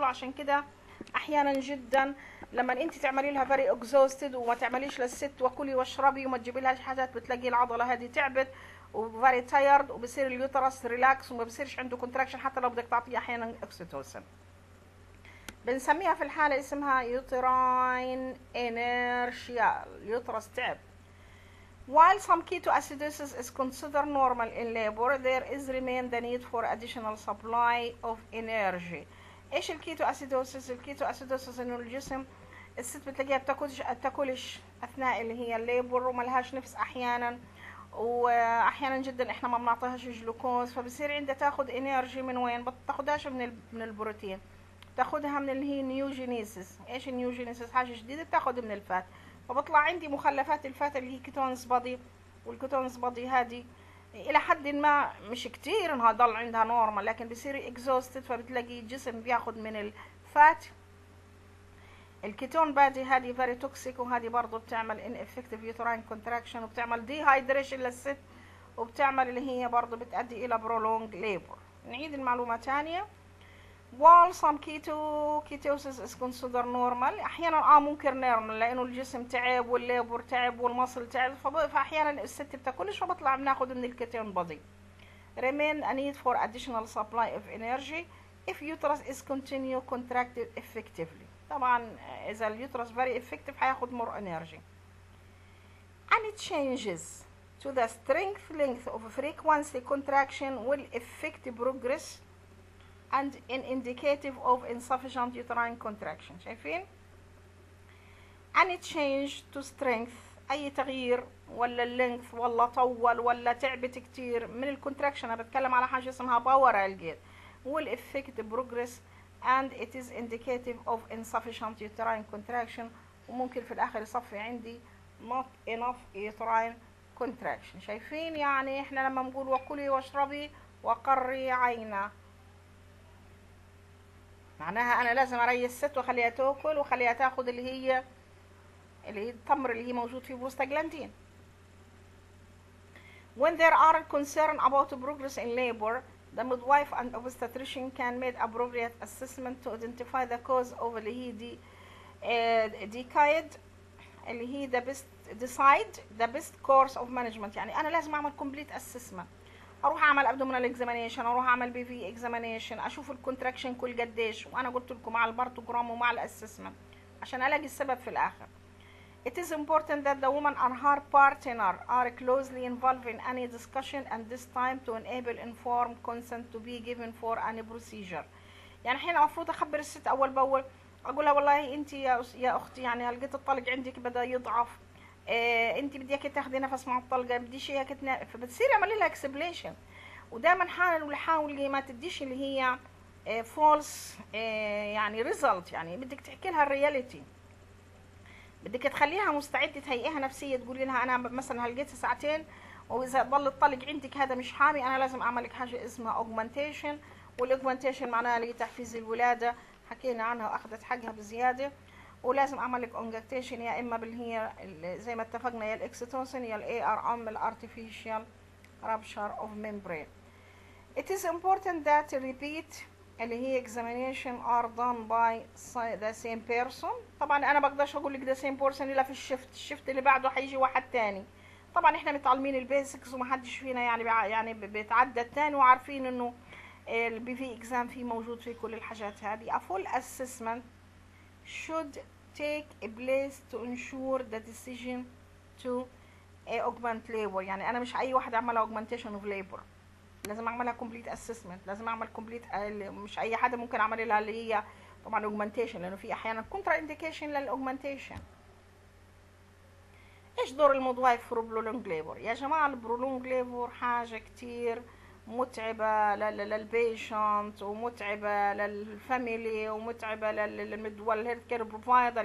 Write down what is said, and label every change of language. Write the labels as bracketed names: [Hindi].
[Arabic] وعشان كده احيانا جدا لما انت تعملي لها فري اكزوستد وما تعمليش للست وكلي واشربي وما تجيبي لهاش حاجات، بتلاقي العضلة هذه تعبت وفري تايرد، وبصير اليوترس ريلاكس وما بصيرش عنده كونتراكشن، حتى لو بدك تعطيه احيانا اكسيتوسن. بنسميها في الحاله اسمها يوتراين انيرشيا، اليوترس تعب. [English] While some ketoacidosis is considered normal in labor, there is remain the need for additional supply of energy. [Arabic] ايش الketoacidosis؟ الketoacidosis انه الجسم الست بتلاقيها بتاكلش اثناء اللي هي الليبر وما لهاش نفس احيانا، واحيانا جدا احنا ما بنعطيهاش جلوكوز، فبصير عندها تاخذ انرجي من وين؟ بتاخدهاش من البروتين، تاخدها من اللي هي نيوجينيسيس. ايش النيوجينيسيس؟ حاجه جديده بتاخد من الفات، فبطلع عندي مخلفات الفات اللي هي كيتونز بادي، والكيتونز بادي هذه الى حد ما مش كتير انها ضل عندها نورمال، لكن بصير اكزوستد، فبتلاقي الجسم بياخد من الفات. الكيتون بادي هذه فيري توكسيك، وهذه برضه بتعمل ان افكتيف يوتراين كونتراكشن، وبتعمل دي هايدريشن للست، وبتعمل اللي هي برضه بتؤدي الى برولونج ليبر. نعيد المعلومه ثانيه. [English] While some ketosis is considered normal، [Arabic] احيانا ممكن نورمال لانه الجسم تعب والليبر تعب والمصل تعب، فاحيانا الست بتاكلش فبطلع بناخذ من الكيتون بادي. [English] Remain a need for additional supply of energy if uterus is continue contracted effectively. [Arabic] طبعا اذا اليوترس [English] very effective [Arabic] حياخد [English] more energy. Any changes to the strength length of frequency contraction will affect progress and in indicative of insufficient uterine contraction. [Arabic] شايفين؟ [English] Any change to strength، [Arabic] اي تغيير ولا length ولا طول ولا تعبت كتير من الكونتراكشن، انا بتكلم على حاجة اسمها power algae، [English] will affect progress and it is indicative of insufficient uterine contraction، [Arabic] وممكن في الاخر يصفي عندي [English] not enough uterine contraction. [Arabic] شايفين؟ يعني احنا لما نقول وكلي واشربي وقري عينا، معناها انا لازم اري الست واخليها تاكل واخليها تاخد اللي هي اللي هي التمر اللي هي موجود في بروستاجلاندين. [English] When there are concern about progress in labor, the midwife and obstetrician can make appropriate assessment to identify the cause of اللي هي decide اللي هي the best decide the best course of management. [Arabic] يعني انا لازم اعمل [English] complete assessment، [Arabic] اروح اعمل [English] abdominal examination، [Arabic] اروح اعمل [English] BV examination، [Arabic] اشوف الكونتراكشن كل قديش، وانا قلت لكم مع البارتوجرام ومع الاسسمنت عشان الاقي السبب في الاخر. [English] It is important that the woman and her partner are closely involved in any discussion and this time to enable informed consent to be given for any procedure. [Arabic] يعني الحين المفروض اخبر الست اول باول، اقولها والله انت يا اختي يعني لقيت الطلق عندك بدا يضعف، انت بدي اياكي تاخذي نفس مع الطلقه، بدي اياكي تنام، فبتصير اعملي لها اكسبليشن. ودائما حاولي ما تديش اللي هي فولس يعني ريزلت، يعني بدك تحكي لها الرياليتي، بدك تخليها مستعدة تهيئها نفسية، تقولي لها أنا مثلا هلقيتها ساعتين وإذا ضل الطلق عندك هذا مش حامي، أنا لازم أعملك حاجة اسمها augmentation، والaugmentation معناها لتحفيز الولادة، حكينا عنها وأخذت حقها بزيادة. ولازم اعمل لك انجكتيشن، يا اما باللي هي زي ما اتفقنا، يا الاكسيتوسين يا الاي ار ام الارتفيشال رابشر اوف ميمبرين. [English] It is important that repeat اللي هي examination are done by the same person. [Arabic] طبعا انا بقدرش اقول لك ده [English] same person [Arabic] الا في الشفت، الشفت اللي بعده هيجي واحد تاني. طبعا احنا متعلمين البيزكس ومحدش فينا يعني يعني بيتعدى التاني، وعارفين انه البي في اكزام فيه موجود في كل الحاجات هذه. [English] A full assessment should take place to ensure the decision to augment labor. [Arabic] يعني انا مش اي واحد اعمل [English] augmentation of labor، [Arabic] لازم اعملها كومبليت اسسمنت، لازم اعمل كومبليت، مش اي حد ممكن اعمل لها اللي هي طبعا اوجمنتيشن، لانه في احيانا كونترا انديكيشن للاوجمنتيشن. ايش دور المضايف في برولونج ليبر؟ يا جماعه البرولونج ليبر حاجه كتير متعبه للبيشنت، ومتعبه للفاميلي، ومتعبه للمد والهيلث كير بروفايدر.